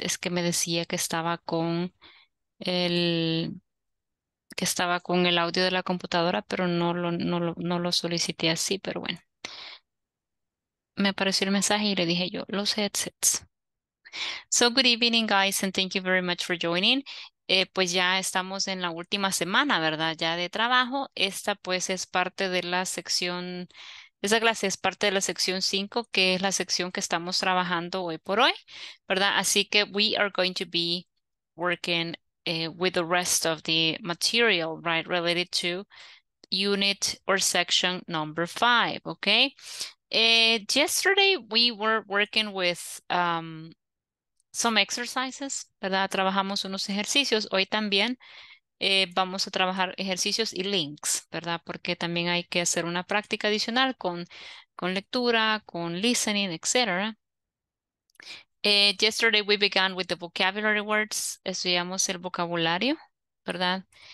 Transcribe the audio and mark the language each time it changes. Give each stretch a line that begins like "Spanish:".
Spanish: Es que me decía que estaba con el audio de la computadora, pero no lo solicité así, pero bueno. Me apareció el mensaje y le dije yo, los headsets.
English: So, good evening, guys, and thank you very much for joining.
Spanish: Pues ya estamos en la última semana, ¿verdad? Ya de trabajo. Esta, pues, es parte de la sección, esa clase es parte de la sección 5, que es la sección que estamos trabajando hoy por hoy, ¿verdad? Así que
English: we are going to be working with the rest of the material, right? Related to unit or section number 5, okay? Yesterday we were working with some exercises, ¿verdad?
Spanish: Trabajamos unos ejercicios. Hoy también vamos a trabajar ejercicios y links, ¿verdad? Porque también hay que hacer una práctica adicional con lectura, con listening, etc.
English: Yesterday we began with the vocabulary words.
Spanish: Estudiamos el vocabulario, ¿verdad?